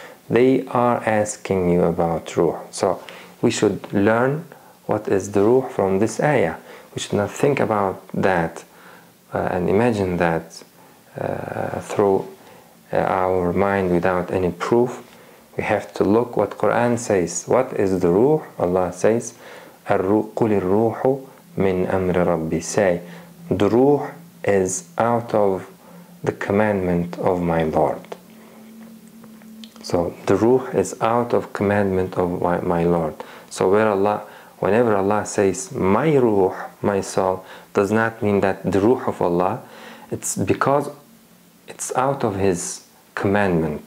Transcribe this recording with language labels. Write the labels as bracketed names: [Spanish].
[English] They are asking you about ruh. So we should learn what is the ruh from this ayah. We should not think about that and imagine that through our mind without any proof. We have to look what Quran says. What is the ruh? Allah says, [Arabic] قُلِ الرُّوحُ مِنْ أَمْرِ رَبِّي. [English] Say, the ruh is out of the commandment of my Lord. So the ruh is out of commandment of my Lord. So whenever Allah says my ruh, my soul, does not mean that the ruh of Allah, it's because it's out of his commandment.